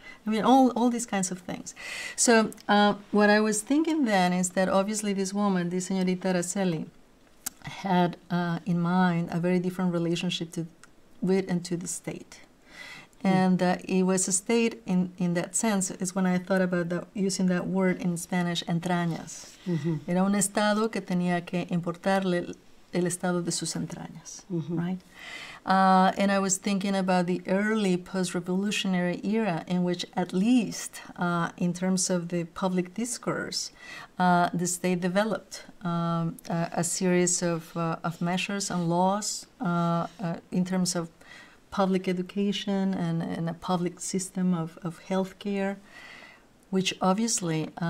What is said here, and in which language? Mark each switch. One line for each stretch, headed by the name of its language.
English: I mean, all these kinds of things. So what I was thinking then is that obviously this woman, this Señorita Araceli, had in mind a very different relationship to the state. And it was a state in that sense, is when I thought about using that word in Spanish, entrañas. Mm-hmm.
Spanish: Era un estado que tenía que importarle el estado de sus entrañas, mm-hmm.
English: right? And I was thinking about the early post-revolutionary era in which at least in terms of the public discourse, the state developed a series of measures and laws in terms of public education and a public system of healthcare, which obviously